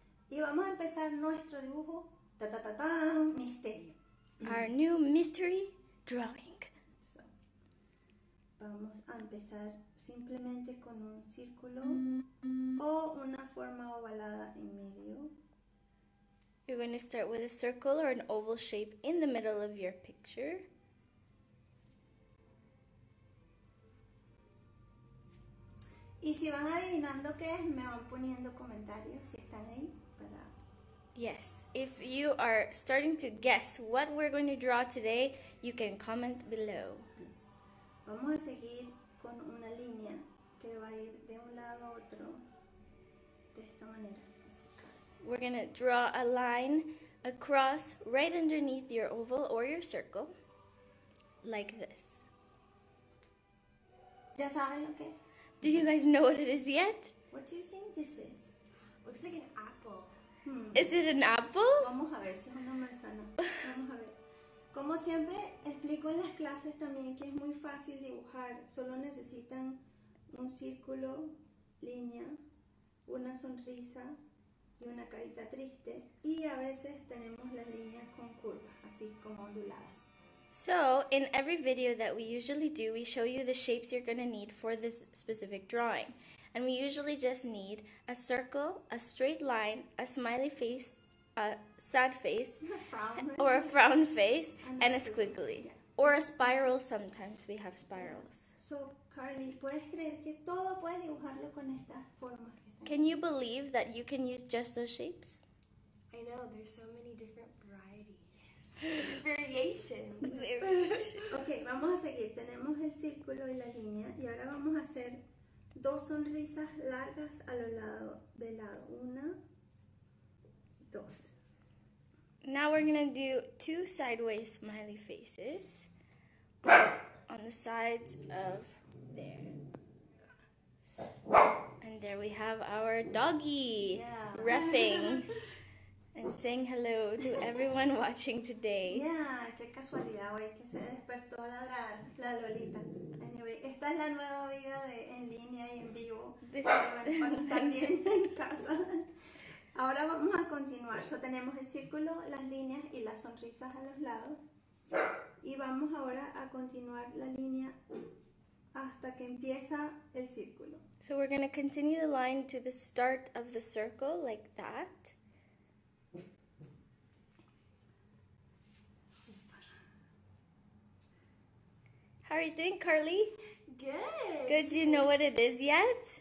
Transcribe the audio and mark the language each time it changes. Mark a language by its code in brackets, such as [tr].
[es] Y vamos a empezar nuestro dibujo. Ta-ta-ta-tan, misterio. [en] Our new mystery drawing. [es] So, vamos a empezar simplemente con un círculo o una forma ovalada en medio. [en] You're going to start with a circle or an oval shape in the middle of your picture. [es] Y si van adivinando qué es, me van poniendo comentarios si están ahí. [en] Yes, if you are starting to guess what we're going to draw today, you can comment below. Yes. [es] Vamos a seguir con una línea que va a ir de un lado a otro, de esta manera. [en] We're going to draw a line across right underneath your oval or your circle, like this. [es] ¿Ya saben lo que es? [en] Do you guys know what it is yet? What do you think this is? Looks like an apple. Is it an apple? [es] Vamos a ver si es una manzana. Vamos a ver. Como siempre, explico en las clases también que es muy fácil dibujar. Solo necesitan un círculo, línea, una sonrisa y una carita triste. Y a veces tenemos las líneas con curvas, así como onduladas. [en] So, in every video that we usually do, we show you the shapes you're going to need for this specific drawing. And we usually just need a circle, a straight line, a smiley face, a sad face, a frown. Or a frown face, and a squiggly. Yeah. Or a spiral, sometimes we have spirals. [es] So, Carly, ¿puedes creer que todo puedes dibujarlo con estas formas? [en] Can you believe that you can use just those shapes? I know, there's so many different varieties. Variations. [es] Okay, vamos a seguir. Tenemos el círculo y la línea. Y ahora vamos a hacer dos sonrisas largas a lo lado de la una, dos. [en] Now we're going to do two sideways smiley faces on the sides of there. And there we have our doggy, yeah. Repping and saying hello to everyone watching today. [es] Yeah, qué casualidad hoy que se despertó a ladrar la Lolita. Anyway, esta es la nueva vida de en línea y en vivo. [en] This is [es] también en casa. Ahora vamos a continuar. So, tenemos el círculo, las líneas y las sonrisas a los lados. Y vamos ahora a continuar la línea hasta que empieza el círculo. [en] So we're going to continue the line to the start of the circle, like that. How are you doing, Carly? Good. Good. Do you know what it is yet?